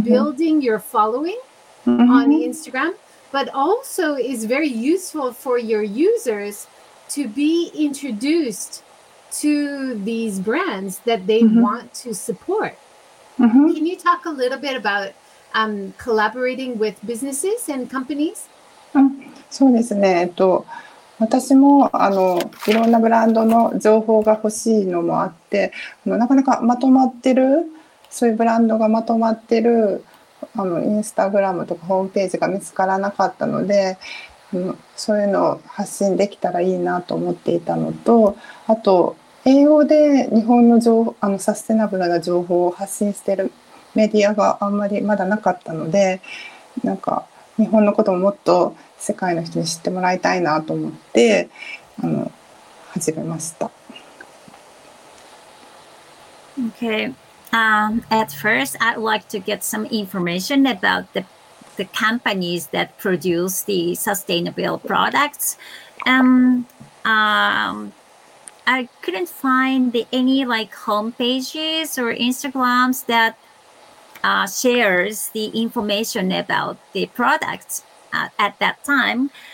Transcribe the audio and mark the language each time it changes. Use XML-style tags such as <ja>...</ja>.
<en>building your following mm-hmm. on Instagram, but also is very useful for your users to be introduced to these brands that they mm-hmm. want to support. Mm-hmm. Can you talk a little bit about collaborating with businesses and companies?</en> <ja>そうですね。私もいろんなブランドの情報が欲しいのもあって、なかなかまとまってる、そういうブランドがまとまってるインスタグラムとかホームページが見つからなかったので、そういうのを発信できたらいいなと思っていたのと、あと英語で日本の情報、サステナブルな情報を発信してるメディアがあんまりまだなかったので、なんか日本のことももっと世界の人に知ってもらいたいなと思って始めました。</ja> <en>Okay. At first, I'd like to get some information about the companies that produce the sustainable products. I couldn't find any like homepages or Instagrams that shares the information about the products at that time.</en>